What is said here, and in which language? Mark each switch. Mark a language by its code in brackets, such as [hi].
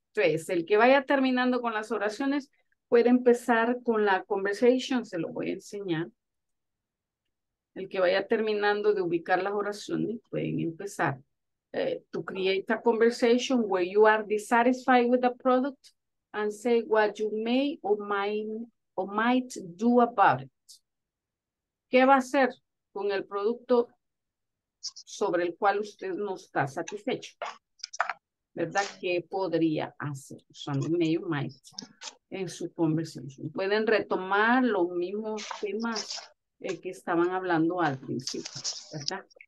[es] Entonces, el que vaya terminando con las oraciones puede empezar con la conversation, se lo voy a enseñar. El que vaya terminando de ubicar las oraciones, pueden empezar. [en] To create a conversation where you are dissatisfied with the product and say what you may or might do about it. [es] ¿Qué va a hacer con el producto sobre el cual usted no está satisfecho? ¿Verdad? ¿Qué podría hacer usando may or might en su conversation? Pueden retomar los mismos temas que estaban hablando al principio, ¿verdad?